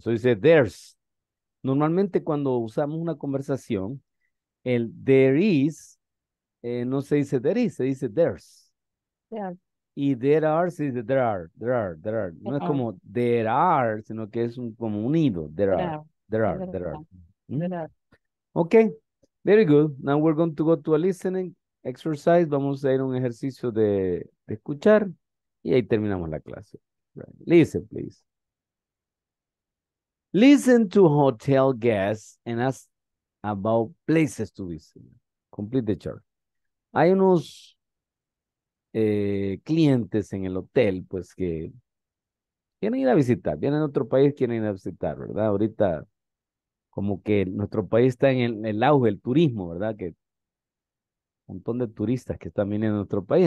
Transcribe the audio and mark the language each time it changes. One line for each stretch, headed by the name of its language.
English: So you say there's.
Spanish: Normalmente cuando usamos una conversación, el there is, no se dice there is, se dice there's.
English: There.
Spanish: y there are, sí, there are. No es como there are, sino que es un, como un unido.
English: There are. Ok, very good. Now we're going to go to a listening exercise.
Spanish: Vamos a ir a un ejercicio de escuchar y ahí terminamos la clase.
English: Right. Listen, please. Listen to hotel guests and ask about places to visit. Complete the chart.
Spanish: Hay unos clientes en el hotel, pues, que quieren ir a visitar. Vienen a otro país, quieren ir a visitar, ¿verdad? Ahorita, como que nuestro país está en el auge del turismo, ¿verdad? Que un montón de turistas que están viniendo a nuestro país.